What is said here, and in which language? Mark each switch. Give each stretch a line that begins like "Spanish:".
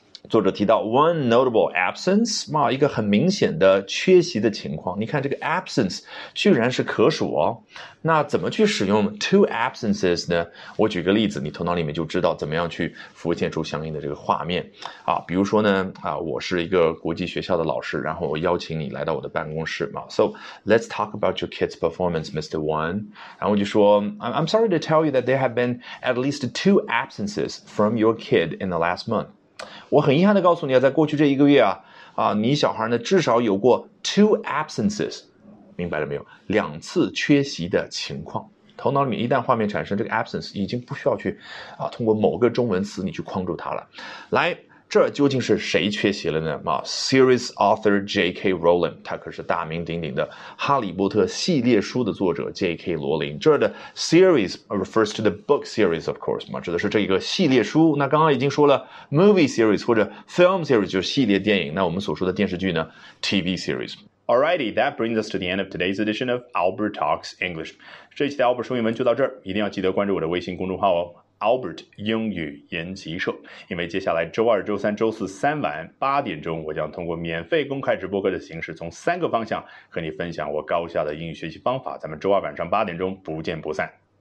Chinese: 作者提到
English: one notable absence，
Chinese: 嘛，一个很明显的缺席的情况。你看这个 absence 居然是可数哦，那怎么去使用
English: two absences
Chinese: 呢？我举个例子，你头脑里面就知道怎么样去浮现出相应的这个画面啊。比如说呢，我是一个国际学校的老师，然后我邀请你来到我的办公室嘛。
English: So let's talk about your kids' performance, Mr. One。
Chinese: 然后我就说，
English: I'm sorry to tell you that there have been at least two absences from your kid in the last month。
Chinese: 我很遗憾地告诉你啊，在过去这一个月啊，你小孩呢至少有过
English: two absences，
Chinese: 明白了没有？两次缺席的情况。头脑里面一旦画面产生这个 absence，已经不需要去通过某个中文词你去框住它了。来，这究竟是谁缺席了呢？
English: series author J.K.
Chinese: Rowling，他可是大名鼎鼎的《哈利波特》系列书的作者 J.K. 罗琳。这儿的
English: series refers to the book series, of course，
Chinese: 指的是这一个系列书。那刚刚已经说了，movie series 或者 film series 就是系列电影。那我们所说的电视剧呢，TV series。
English: Alrighty, that brings us to the end of today's edition of Albert Talks English。
Chinese: 这一期的 Albert 说英文就到这儿，一定要记得关注我的微信公众号哦。 Albert 英语研习社，因为接下来周二、周三、周四3晚8点钟，我将通过免费公开直播课的形式，从3个方向和你分享我高效的英语学习方法。咱们周二晚上8点钟不见不散。